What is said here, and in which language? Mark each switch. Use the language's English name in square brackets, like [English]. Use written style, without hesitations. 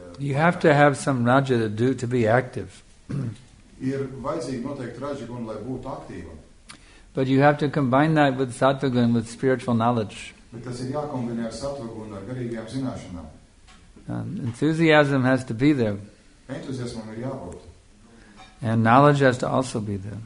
[English] You have to have some raja to do to be active. [Latvian] Ir vajadzīgi noteikti raja guna, lai būtu aktīva. [English] But you have to combine that with sattva guna, with spiritual knowledge. [Latvian] Bet tas ir jākombinē ar sattva guna, ar garīgajām zināšanām. [English] Enthusiasm has to be there. [Latvian] Entuziasmam ir jābūt. [English] And knowledge has to also be there.